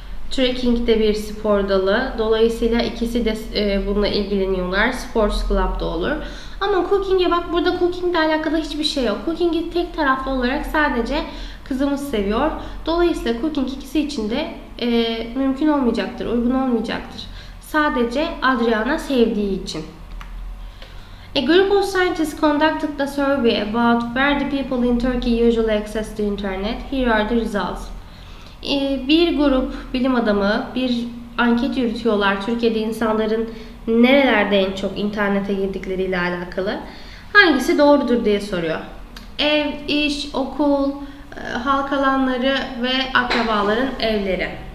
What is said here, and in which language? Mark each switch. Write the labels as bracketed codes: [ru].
[tr] Trekking de bir spor dalı. Dolayısıyla ikisi de bununla ilgileniyorlar. Sports club da olur. Ama cooking'e bak, burada cooking'le alakalı hiçbir şey yok. Cooking'i tek taraflı olarak sadece kızımız seviyor. Dolayısıyla cooking ikisi için de mümkün olmayacaktır, uygun olmayacaktır. Sadece Adriana sevdiği için. [en] A group of scientists conducted a survey about where the people in Turkey usually access the internet. Here are the results. [tr] Bir grup bilim adamı bir anket yürütüyorlar Türkiye'de insanların nerelerde en çok internete girdikleriyle alakalı. Hangisi doğrudur diye soruyor. Ev, iş, okul, halk alanları ve akrabaların evleri.